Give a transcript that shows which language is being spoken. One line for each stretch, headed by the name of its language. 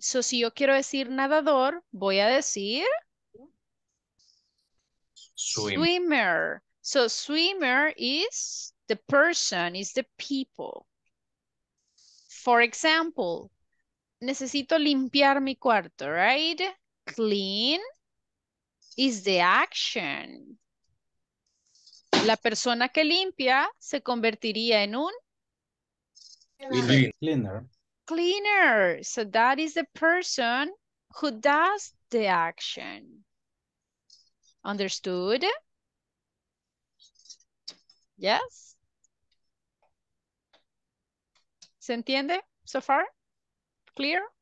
Spanish: So si yo quiero decir nadador, voy a decir
English: swim. Swimmer. So swimmer is the person, is the people. For example,
Spanish: necesito limpiar mi cuarto,
English: right? Clean is the action.
Spanish: La persona que limpia se convertiría en un
English: cleaner. Cleaner. So that is the person who does the action. Understood? Yes?
Spanish: ¿Se entiende
English: so far? Clear?